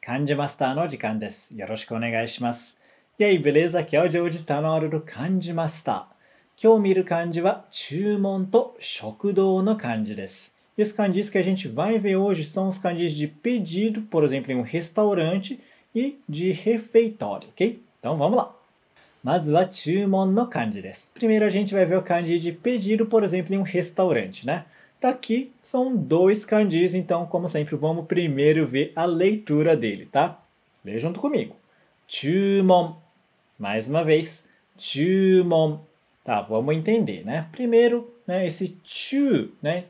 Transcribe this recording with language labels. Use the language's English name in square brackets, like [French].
[Japanese] 漢字マスターの時間です。よろしくお願いします。イェイ、ベレーザ、今日ジョージ、頼まれる漢字マスター。今日見る漢字は、注文と食堂の漢字です。 [Portuguese] Os kanjis que a gente vai ver hoje são os kanjis de pedido, por exemplo, em restaurante e de refeitório, ok? Então, vamos lá! [Japanese] まずは、注文の漢字です。 [Portuguese] Primeiro, a gente vai ver o kanji de pedido, por exemplo, em restaurante, né? Aqui são dois kanjis, então, como sempre, vamos primeiro ver a leitura dele, tá? Lê junto comigo. Chumon. Mais uma vez. Chumon. Tá, vamos entender, né? Primeiro, né, esse chu, né?